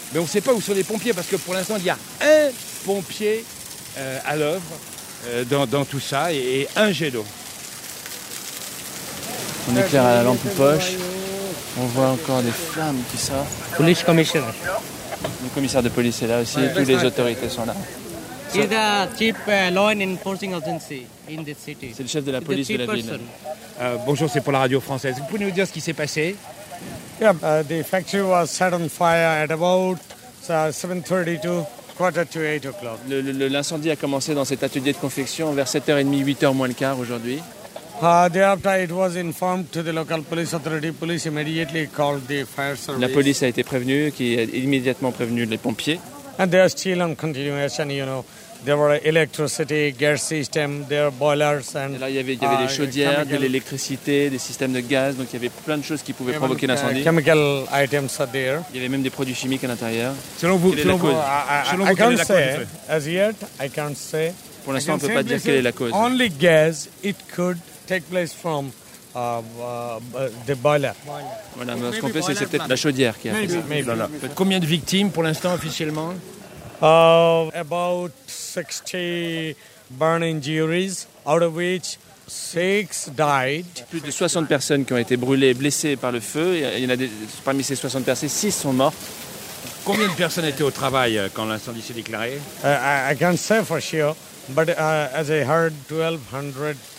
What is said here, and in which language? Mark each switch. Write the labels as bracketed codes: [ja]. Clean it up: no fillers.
[fr] Mais on ne sait pas où sont les pompiers parce que pour l'instant, il y a un pompier... à l'œuvre dans tout ça et un jet d'eau. On éclaire à la lampe poche, on voit encore des flammes qui sortent. Police commissaire. Le commissaire de police est là aussi, ouais, toutes les autorités sont là. C'est le [en] chief law enforcement agency in the city. [fr] C'est le chef de la police de la ville. Bonjour, c'est pour la radio française. Vous pouvez nous dire ce qui s'est passé? [en] Yeah, the factory was set on fire at about 7:32. [fr] L'incendie a commencé dans cet atelier de confection vers 7h30, 8h moins le quart aujourd'hui. La police a été prévenue, qui a immédiatement prévenu les pompiers. [en] And they are still on continuation, you know. There were electricity, gas system, there were boilers and. [fr] Et là, il y avait des chaudières, de l'électricité, des systèmes de gaz. Donc, il y avait plein de choses qui pouvaient provoquer l'incendie. [en] Chemical items are there. [fr] Il y avait même des produits chimiques à l'intérieur. Selon vous, [en] I can't say. [fr] Pour l'instant, on peut pas dire quelle est la cause. [en] Only gas. It could take place from the boiler. [fr] Voilà, mais ce qu'on fait, c'est peut-être la chaudière qui a fait ça. Voilà. Combien de victimes pour l'instant officiellement? [en] About 60 burn injuries, out of which 6 died. [fr] Plus de 60 personnes qui ont été brûlées, blessées par le feu. Il y en a parmi ces 60 personnes, 6 sont mortes. Combien de personnes étaient au travail quand l'incendie s'est déclaré? [en] I can't say for sure, but as I heard, 1,200.